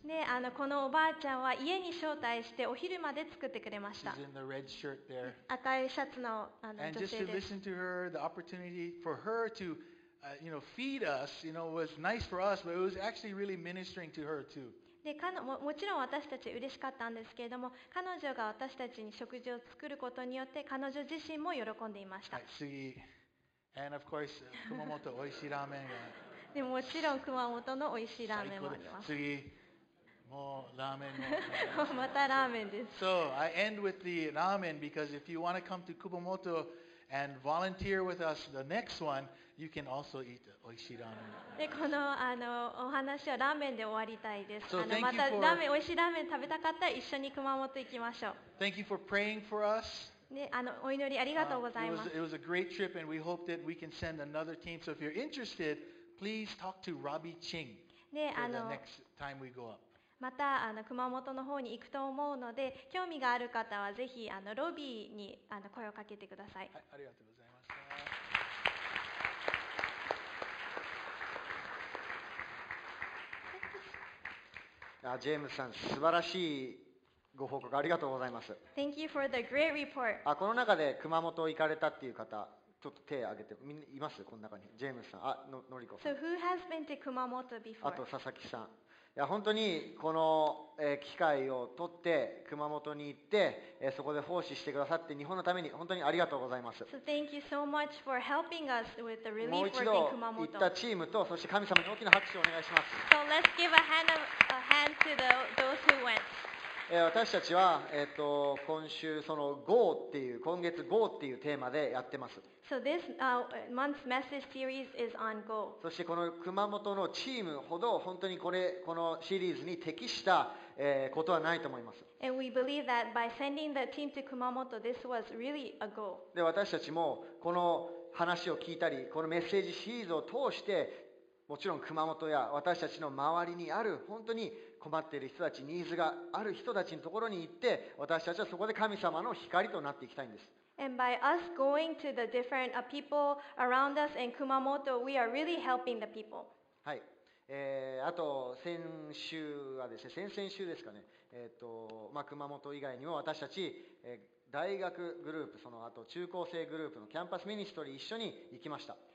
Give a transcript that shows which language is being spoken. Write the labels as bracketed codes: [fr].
[ja] で、このおばあちゃんは家に招待してお昼まで作ってくれました。 [en] She's in the red shirt there. [ja] 赤いシャツの女性です。 [en] And just to listen to her, the opportunity for her to, feed us, was nice for us, but it was actually really ministering to her too. [ja] で、もちろん私たち嬉しかったんですけれども、彼女が私たちに食事を作ることによって彼女自身も喜んでいました。はい、次、 [en] and of course [ja] 熊本美味しいラーメンが。でもちろん熊本の美味しいラーメンもあります。次、もうラーメンも。またラーメンです。 [en] So I end with the ramen because if you want to come to Kumamoto and volunteer with us the next one. You can also eat [ja] おいしいラーメン。で、このお話はラーメンで終わりたいです。またラーメン、おいしいラーメン食べたかったら一緒に熊本行きましょう。 [en] Thank you for praying for us. [ja] ね、お祈りありがとうございます。 [en] It was a great trip and we hope that we can send another team. So if you're interested, please talk to Robbie Ching for the next time we go up. [ja] また熊本の方に行くと思うので、興味がある方はぜひロビーに声をかけてください。はい、ありがとうございました。ジェームズさん、素晴らしいご報告ありがとうございます。 [en] Thank you for the great report. [ja] この中で熊本行かれたっていう方、ちょっと手を挙げて、みんないます？この中に。ジェームズさん、のりこさん。 [en] So who has been to Kumamoto before? [ja] あと佐々木さん。いや、本当にこの機会を取って熊本に行って、そこで奉仕してくださって、日本のために本当にありがとうございます。 [en] So thank you so much for helping us with the relief work in Kumamoto. [ja] もう一度行ったチームと、そして神様に大きな拍手をお願いします。 [en] So let's give a hand to those who went. [ja] 私たちは今週その GO っていう、今月 GO っていうテーマでやってます。 [en] So this month's message series is on Go. [ja] そしてこの熊本のチームほど本当にこのシリーズに適したことはないと思います。 [en] And we believe that by sending the team to Kumamoto, this was really a Go. [ja] で、私たちもこの話を聞いたり、このメッセージシリーズを通して、もちろん熊本や私たちの周りにある本当に困っている人たち、ニーズがある人たちのところに行って、私たちはそこで神様の光となっていきたいんです。 [en] And by us going to the different people around us in Kumamoto, we are really helping the people. [ja] はい。あと先週はですね、先々週ですかね。まあ、熊本以外にも私たち、大学グループ、その後中高生グループのキャンパスミニストリー一緒に行きました。